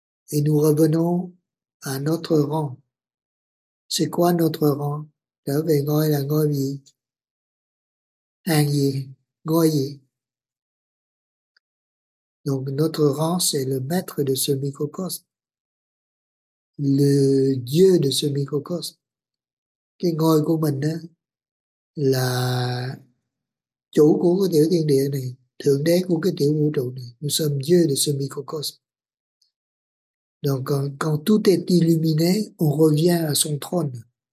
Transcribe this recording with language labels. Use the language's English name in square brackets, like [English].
[French] Et nous revenons à notre rang. C'est quoi notre rang? [Vietnamese] Trở về ngôi là ngôi gì? Hàng gì? Ngôi gì? [French] Donc notre rang, c'est le maître de ce microcosme. Le dieu de ce microcosme. [Vietnamese] Cái ngôi của mình đó là chủ của cái tiểu thiên địa này, thượng đế của cái tiểu vũ trụ này. [French] Nous sommes dieux de ce microcosme. Donc, quand tout est illuminé, on revient à son trône.